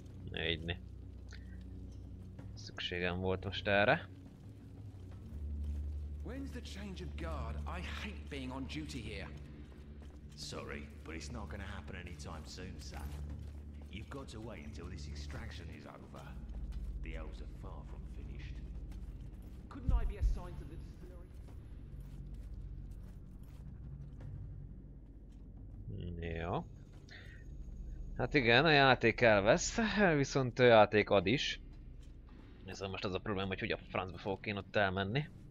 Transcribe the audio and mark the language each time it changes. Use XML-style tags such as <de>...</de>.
<hu>Egyni. Szükségem volt most erre.</hu> <en>When's the change of guard? I hate being on duty here. Sorry, but it's not gonna happen anytime soon, son. You've got to wait until this extraction is over. The elves are far from finished. Couldn't I be assigned to the distillery?</en> <hu>Jó. Hát igen, a játék elvesz, viszont a játék ad is. Nézzem, most az a probléma, hogy a francba fogok én ott elmenni.</hu>